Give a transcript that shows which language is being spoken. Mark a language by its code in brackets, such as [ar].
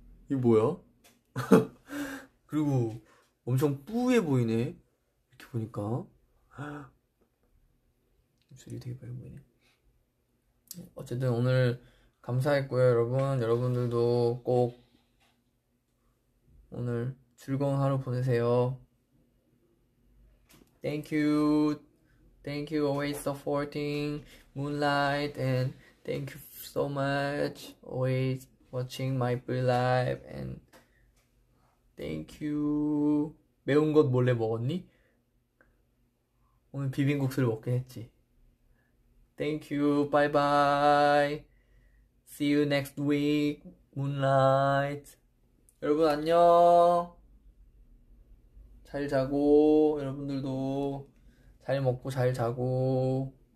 [ko] 이거 뭐야? 그리고 엄청 뿌예 보이네. 이렇게 보니까. 입술이 되게 빨개 보이네. 어쨌든 오늘 감사했고요, 여러분. 여러분들도 꼭 오늘 즐거운 하루 보내세요. [en] Thank you. Thank you always supporting Moonlight and thank you so much always watching my blue life and thank you. [ko] 매운 것 몰래 먹었니? 오늘 비빔국수를 먹긴 했지. [en] Thank you. Bye bye. See you next week, Moonlight. [ko] 여러분 안녕. 잘 자고, 여러분들도 잘 먹고 잘 자고.